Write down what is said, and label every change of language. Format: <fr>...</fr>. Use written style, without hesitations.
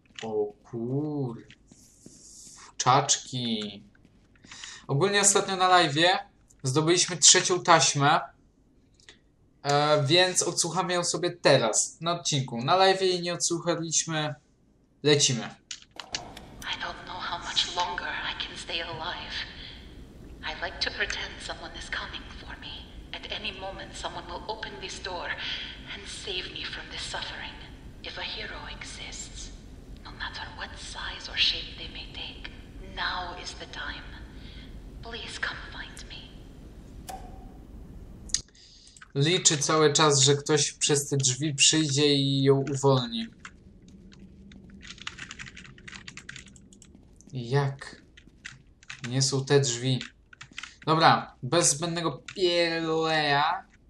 <pl>O kur. Czaczki. Ogólnie ostatnio na live'ie zdobyliśmy 3. taśmę. Więc odsłucham ją sobie teraz, na odcinku. Na live'ie jej nie odsłuchaliśmy. Lecimy.</pl> <en>I don't know how much longer I can stay alive. I'd like to pretend someone is coming for me. At any moment someone will open this door and save me from this suffering. If a hero exists, no matter what size or shape they may take, now is the time. Please come find me.</en> <pl>Liczy cały czas, że ktoś przez te drzwi przyjdzie i ją uwolni. Jak? Nie są te drzwi. Dobra, bez zbędnego pieleja.</pl>